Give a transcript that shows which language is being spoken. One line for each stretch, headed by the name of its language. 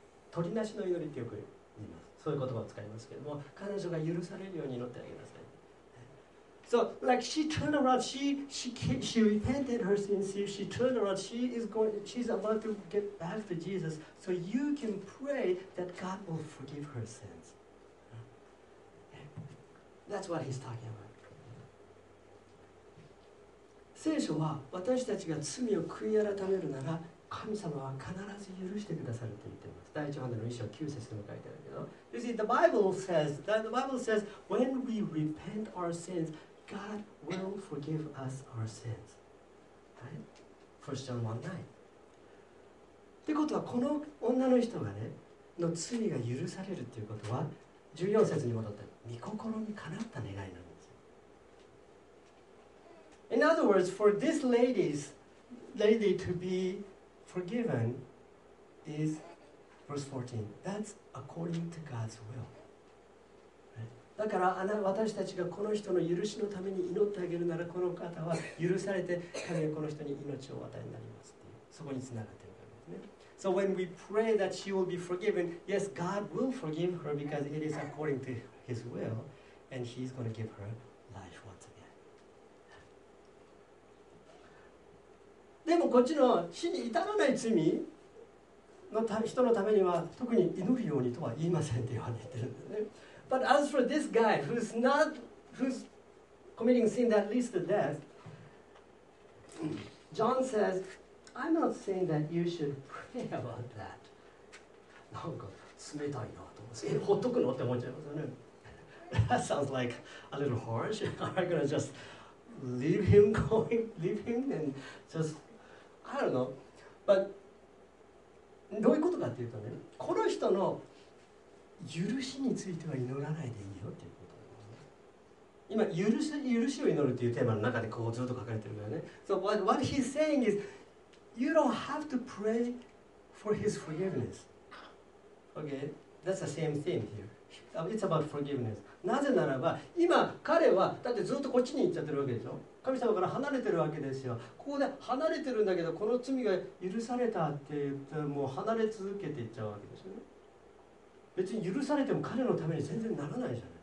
Japanese: 取りなしの祈りってよく言います。そういう言葉を使いますけれども、彼女が許されるように祈ってあげなさい。
English: So like she turned around, she repented her sins, she turned around, she's about to get back to Jesus, so you can pray that God will forgive her sins. That's what he's talking about.
Japanese: 聖書は私たちが罪を悔い改めるなら神様は必ず許してくださると言っています。第一ヨハネの一章九節でも書いてあるけど、
English: You see, the Bible says that the Bible says when we repent our sins, God will forgive us our sins. First John 1:9.
Japanese: ってことはこの女の人がねの罪が許されるということは、十四節に戻って御心にかなった願いなんですよ。
English: In other words, for this lady to beForgiven is verse 14. That's according to God's will.
Japanese: だから私たちがこの人の許しのために祈ってあげるなら、この方は許されて神はこの人に命を与えになりますっていう、そこにつながっているわけですね。
English: So when we pray that she will be forgiven, yes, God will forgive her because it is according to His will, and He's going to give her life once again.
Japanese: でもこっちの死に至らない罪の人のためには特に祈るようにとは言いませんって言われてるんだね。
English: But as for this guy who's not, who's committing sin that leads to death, John says, I'm not saying that you should pray about that.
Japanese: なんか冷たいなと思って、ほっとくのって思っちゃいますよね。
English: That sounds like a little harsh. Are you gonna just leave him going, leave him and just... I don't know. But,
Japanese: どういうことかっていうとね、この人の許しについては祈らないでいいよっていうことなんですね。今許しを祈るっていうテーマの中でこうずっと書かれてるからね。
English: So what he's saying is, you don't have to pray for his forgiveness. Okay, that's the same theme here. It's about forgiveness.
Japanese: なぜならば、今彼はだってずっとこっちに行っちゃってるわけでしょ。神様から離れてるわけですよ。ここで離れてるんだけど、この罪が許されたって言ったらもう離れ続けていっちゃうわけですよね。別に許されても彼のために全然ならないじゃない。